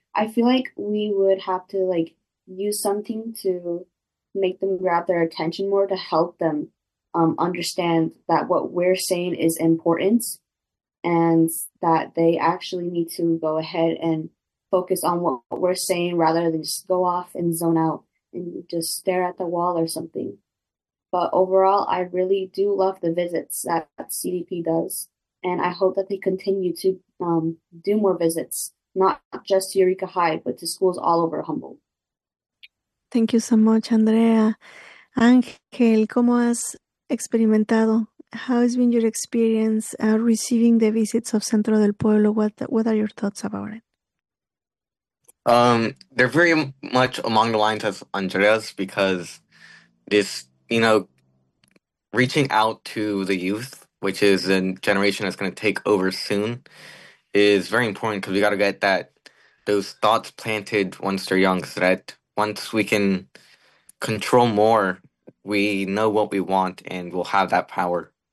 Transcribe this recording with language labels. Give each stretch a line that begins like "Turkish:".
English: I feel like we would have to like use something to make them grab their attention more to help them understand that what we're saying is important and that they actually need to go ahead and focus on what we're saying rather than just go off and zone out and just stare at the wall or something. But overall, I really do love the visits that CDP does, and I hope that they continue to do more visits, not just to Eureka High, but to schools all over Humboldt. Thank you so much, Andrea.
Spanish: Ángel, ¿cómo has experimentado?
English: How has been your experience receiving the visits of Centro del Pueblo? What are your thoughts about it? They're very much along the lines as Andrea's, because this, you know, reaching out to the youth, which is a generation that's going to take over soon, is very important, because we got to get that those thoughts planted once they're young, so that once we can control more, we know what we want and we'll have that power.